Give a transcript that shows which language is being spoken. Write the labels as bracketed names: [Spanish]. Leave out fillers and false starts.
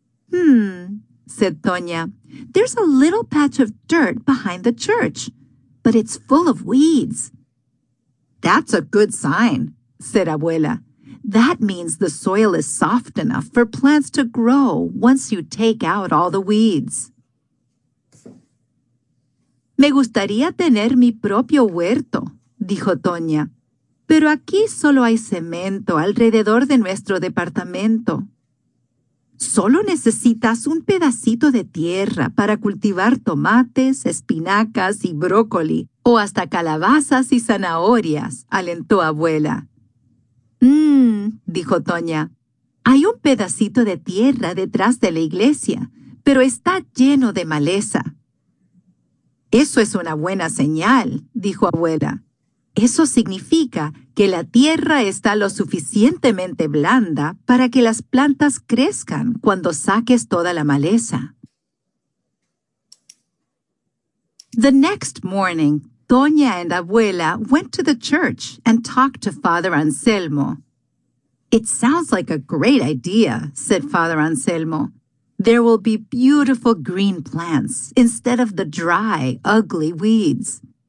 [English] Hmm, said Toña. There's a little patch of dirt behind the church, but it's full of weeds. That's a good sign, said Abuela. That means the soil is soft enough for plants to grow once you take out all the weeds. [Spanish] Me gustaría tener mi propio huerto, dijo Toña. Pero aquí solo hay cemento alrededor de nuestro departamento. Solo necesitas un pedacito de tierra para cultivar tomates, espinacas y brócoli, o hasta calabazas y zanahorias, alentó abuela. Dijo Toña. Hay un pedacito de tierra detrás de la iglesia, pero está lleno de maleza. Eso es una buena señal, dijo abuela. Eso significa que la tierra está lo suficientemente blanda para que las plantas crezcan cuando saques toda la maleza. [English] The next morning, Doña and abuela went to the church and talked to Father Anselmo. It sounds like a great idea, said Father Anselmo. There will be beautiful green plants instead of the dry, ugly weeds.